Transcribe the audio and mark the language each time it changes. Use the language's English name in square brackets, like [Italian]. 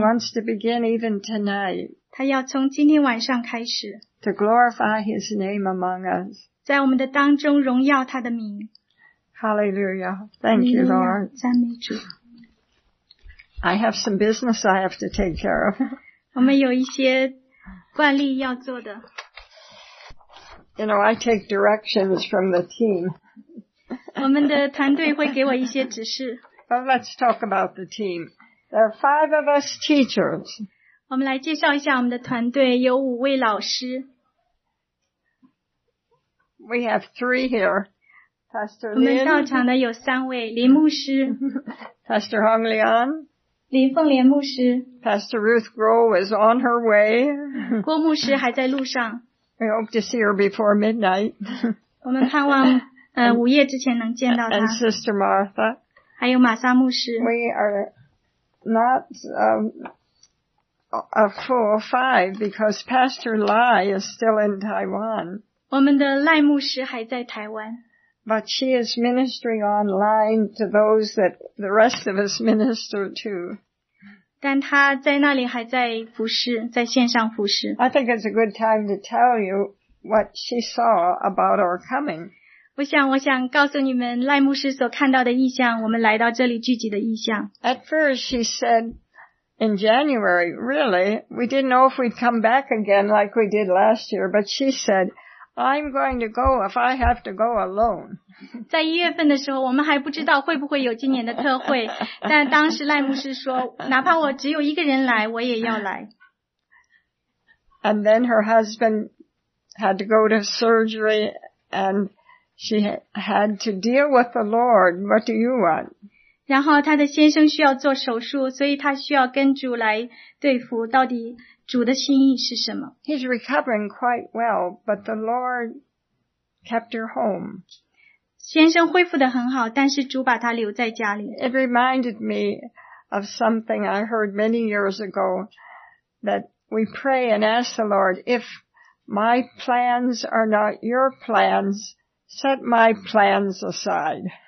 [English] He wants to begin even tonight. [Chinese] 他要从今天晚上开始。 [English] To glorify his name among us. [Chinese] 在我们的当中荣耀他的名。 [English] Hallelujah. Thank you, Lord. [Chinese] 赞美主。 [English] I have some business I have to take care of. [Chinese] 我们有一些惯例要做的。 [English] You know, I take directions from the team. [Chinese] 我们的团队会给我一些指示。 [English] Well, let's talk about the team. There are 5 of us teachers. [Chinese] 我们来介绍一下我们的团队，有5位老师。 [English] We have 3 here. Pastor Lin. [Chinese] 我们到场的有3位，林牧师。 [English] Pastor Hong Leon. [Chinese] 林凤莲牧师。 [English] Pastor Ruth Grohl is on her way. [Chinese] 郭牧师还在路上。 [English] We hope to see her before midnight. [Chinese] 我们盼望午夜之前能见到她。 [English] And Sister Martha. [Chinese] 还有玛莎牧师。 [English] We are not a full 5 because Pastor Lai is still in Taiwan. [Chinese] 我们的赖牧师还在台湾。 [English] But she is ministering online to those that the rest of us minister to. [Chinese] 但他在那里还在服侍，在线上服侍。 [English] I think it's a good time to tell you what she saw about our coming. [Chinese] 我想告诉你们赖牧师所看到的意象，我们来到这里聚集的意象。 [English] At first she said in January, really, we didn't know if we'd come back again like we did last year, but she said, I'm going to go if I have to go alone. [Chinese] 在一月份的时候我们还不知道会不会有今年的特会，但当时赖牧师说哪怕我只有一个人来我也要来。 [English] And then her husband had to go to surgery and she had to deal with the Lord. What do you want? [Chinese] 然后他的先生需要做手术，所以他需要跟主来对付，到底主的心意是什么。 [English] He's recovering quite well, but the Lord kept her home. [Chinese] 先生恢复得很好，但是主把他留在家里。 [English] It reminded me of something I heard many years ago, that we pray and ask the Lord, if my plans are not your plans, set my plans aside.